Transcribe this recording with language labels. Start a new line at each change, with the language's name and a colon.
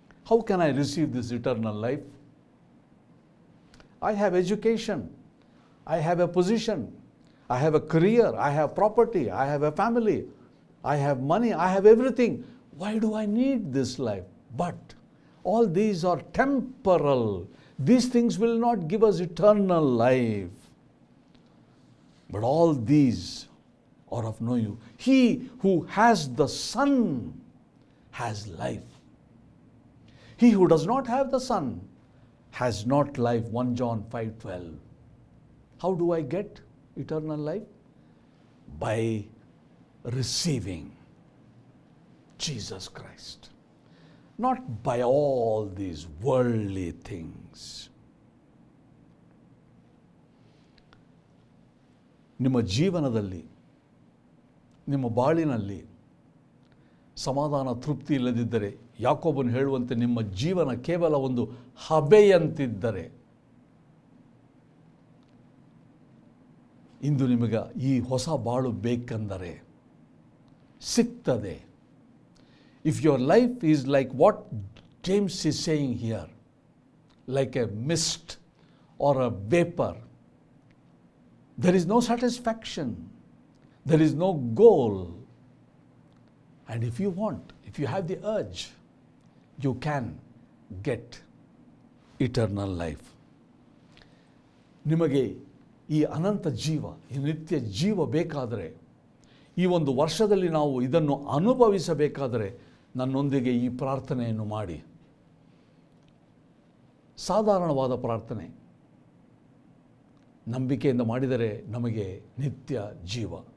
English: How can I receive this eternal life? I have education, I have a position, I have a career, I have property, I have a family, I have money, I have everything, why do I need this life? But all these are temporal, these things will not give us eternal life, but all these are of no use. He who has the Son has life, he who does not have the Son has not life. 1 John 5:12. How do I get eternal life? By receiving Jesus Christ. Not by all these worldly things.
Kannada: ನಿಮ್ಮ ಜೀವನದಲ್ಲಿ, ನಿಮ್ಮ ಬಾಳಿನಲ್ಲಿ ಸಮಾಧಾನ ತೃಪ್ತಿ ಇಲ್ಲದಿದ್ದರೆ, ಯಾಕೋಬನು ಹೇಳುವಂತೆ ನಿಮ್ಮ ಜೀವನ ಕೇವಲ ಒಂದು ಹಬೆಯಂತಿದ್ದರೆ, ಇಂದು ನಿಮಗೆ ಈ ಹೊಸ ಬಾಳು ಬೇಕೆಂದರೆ ಸಿಗ್ತದೆ.
English: If your life is like what James is saying here, like a mist or a vapor, There is no satisfaction. There is no goal. And if you want, if you have the urge, you can get eternal life.
Kannada: ನಿಮಗೆ ಈ ಅನಂತ ಜೀವ, ಈ ನಿತ್ಯ ಜೀವ ಬೇಕಾದರೆ, ಈ ಒಂದು ವರ್ಷದಲ್ಲಿ ನಾವು ಇದನ್ನು ಅನುಭವಿಸಬೇಕಾದರೆ ನನ್ನೊಂದಿಗೆ ಈ ಪ್ರಾರ್ಥನೆಯನ್ನು ಮಾಡಿ. ಸಾಧಾರಣವಾದ ಪ್ರಾರ್ಥನೆ, ನಂಬಿಕೆಯಿಂದ ಮಾಡಿದರೆ ನಮಗೆ ನಿತ್ಯ ಜೀವ.